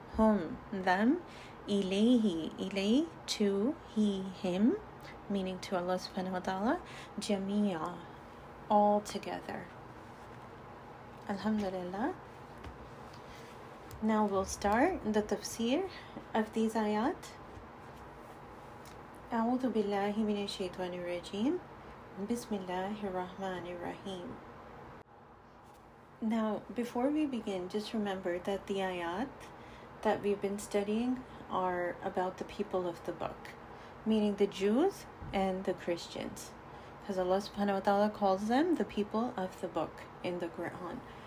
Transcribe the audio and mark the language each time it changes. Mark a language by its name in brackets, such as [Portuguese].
[English] Hum, them. Ilayhi, ilay, to, he, him, meaning to Allah subhanahu wa ta'ala. Jamia, all together. Alhamdulillah. Now we'll start the tafsir of these ayat. [Arabic] أعوذ بالله من الشيطان الرجيم بسم الله الرحمن الرحيم. [English] Now, before we begin, just remember that the ayat that we've been studying are about the people of the book, meaning the Jews and the Christians, because Allah subhanahu wa ta'ala calls them the people of the book in the Quran.